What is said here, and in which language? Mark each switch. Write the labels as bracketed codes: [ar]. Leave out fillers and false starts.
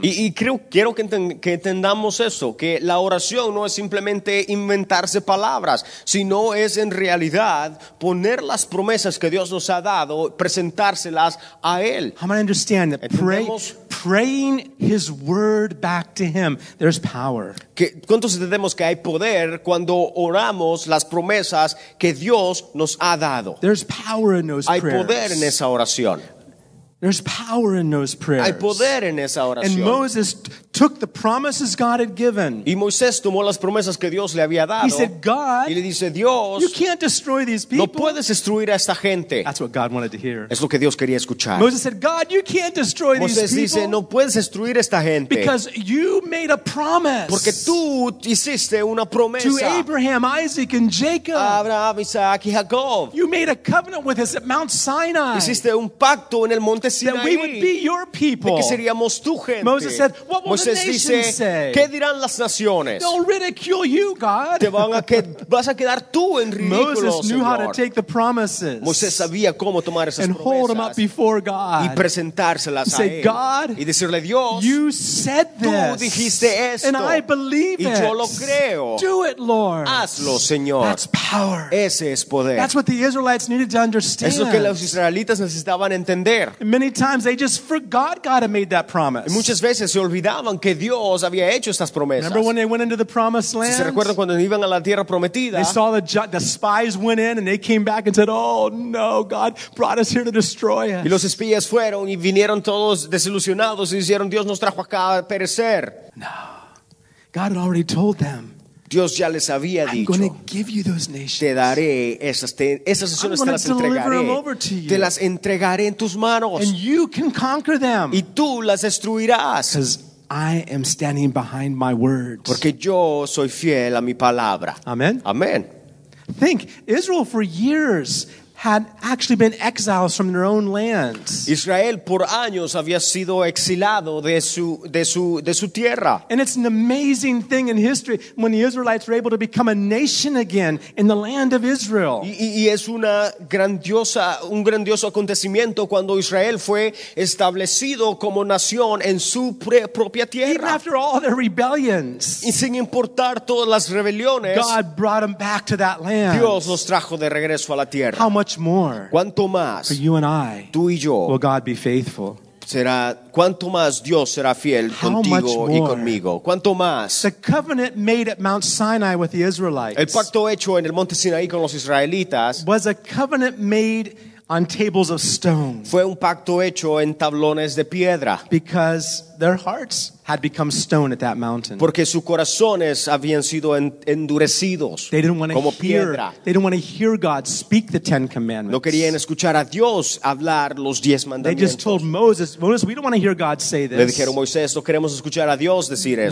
[es] Y creo, quiero que entendamos eso, que la oración no es simplemente inventarse palabras, sino es en realidad poner las promesas que Dios nos ha dado, presentárselas a él. [en] I'm going to understand that praying his word back to him, there's power. [es] ¿Cuántos entendemos que hay poder cuando oramos las promesas que Dios nos ha dado? [en] There's power in those prayers. [es] Hay poder en esa oración. [en] There's power in those prayers. [es] Hay poder en esa oración. [en] And Moses took the promises God had given. [es] Y Moisés tomó las promesas que Dios le había dado. [en] He said, God, [es] y le dice, Dios, [en] you can't destroy these people. [es] No puedes destruir a esta gente. [en] That's what God wanted to hear. [es] Es lo que Dios quería escuchar. [en] Moses said, God, you can't destroy [es] Moisés [en] these people. [es] Dice, no puedes destruir a esta gente. [en] Because you made a promise. [es] Porque tú hiciste una promesa. [en] To Abraham, Isaac, and Jacob. [es] Abraham, Isaac, y Jacob. [en] You made a covenant with us at Mount Sinai. [es] Hiciste un pacto en el monte Sinaí. [en] That we would be your people. [es] De que seríamos tu gente. [en] Moses said, what will [es] Moisés dice, ¿qué dirán las naciones? [en] They'll ridicule you, God. [es] Te van a vas a quedar tú en ridículo, [en] Moses knew [es] Señor. [en] How to take the promises. [es] Moisés sabía cómo tomar esas [en] and [es] promesas. [en] And hold them up before God. [es] Y presentárselas [en] say, [es] a él. [en] God, [es] y decirle, Dios, [en] you said this, [es] tú dijiste esto. [en] And I believe [es] y [en] it. [es] Yo lo creo. [en] Do it, Lord. [es] Hazlo, Señor. [en] That's power. [es] Ese es poder. [en] That's what the Israelites needed to understand. [es] Eso es lo que los israelitas necesitaban entender. [en] Many times they just forgot God had made that promise. [es] Y muchas veces se olvidaban que Dios había hecho estas promesas. [en] Remember when they went into the promised land? [es] Si se recuerdan cuando iban a la tierra prometida. [en] They saw the spies went in and they came back and said, "Oh no, God brought us here to destroy us." [es] Y los espías fueron y vinieron todos desilusionados y dijeron, "Dios nos trajo acá a perecer." [en] No. God had already told them. [es] Dios ya les había dicho, [en] I'm going to give you those nations. [es] Te daré esas naciones, te las entregaré. Te las entregaré en tus manos. [en] And you can conquer them. [es] Y tú las destruirás. [en] I am standing behind my word. [es] Porque yo soy fiel a mi palabra. [en] Amen. [es] Amen. [en] Think, Israel for years had actually been exiles from their own land. [es] Israel por años había sido exilado de su tierra. [en] And it's an amazing thing in history when the Israelites were able to become a nation again in the land of Israel. [es] Y es una grandiosa un grandioso acontecimiento cuando Israel fue establecido como nación en su propia tierra. [en] Even after all their rebellions. [es] Y sin importar todas las rebeliones. [en] God brought them back to that land. [es] Dios los trajo de regreso a la tierra. [en] How much more [es] cuanto más [en] for you and I [es] tú y yo [en] will God be faithful [es] será cuanto más Dios será fiel [en] how [es] contigo y conmigo cuanto más [en] the covenant made at Mount Sinai with the Israelites [es] el pacto hecho en el monte Sinaí con los israelitas [en] was a covenant made on tables of stone [es] fue un pacto hecho en tablones de piedra [en] because their hearts had become stone at that mountain. [es] Porque sus corazones habían sido endurecidos. [en] They didn't want to [es] como [en] hear, [es] piedra. [en] They didn't want to hear God speak the Ten Commandments. [es] No querían escuchar a Dios hablar los diez mandamientos. [en] They just told Moses, we don't want to hear God say this. [es] Le dijeron, Moisés, no queremos escuchar a Dios decir eso.